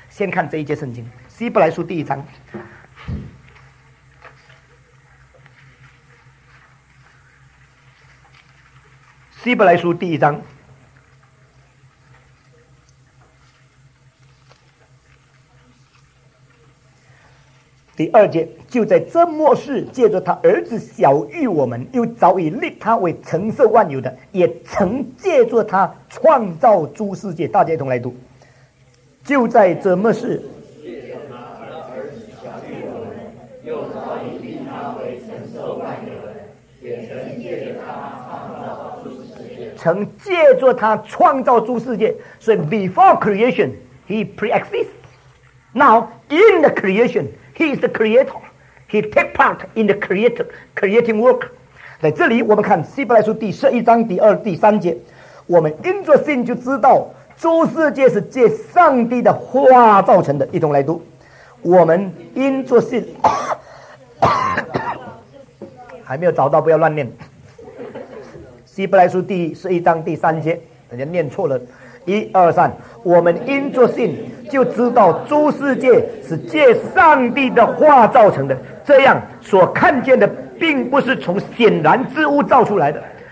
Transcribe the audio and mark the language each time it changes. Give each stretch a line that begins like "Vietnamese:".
Chinese: 先看这一节圣经，希伯来书第一章，希伯来书第一章第二节，就在这末世借着他儿子晓谕我们，又早已立他为承受万有的，也曾借着他创造诸世界。大家一同来读，就在这末世曾借助他创造诸世界。
English: 所以 before creation he pre-exists， now in the creation he is the creator， he take part in the creating work。
Chinese: 在这里我们看希伯来书第十一章第二第三节，我们因着信就知道诸世界是借上帝的话造成的。一同来读，我们因着信还没有找到不要乱念，希伯来书第十一章第三节，人家念错了，一二三，我们因着信就知道诸世界是借上帝的话造成的，这样所看见的并不是从显然之物造出来的。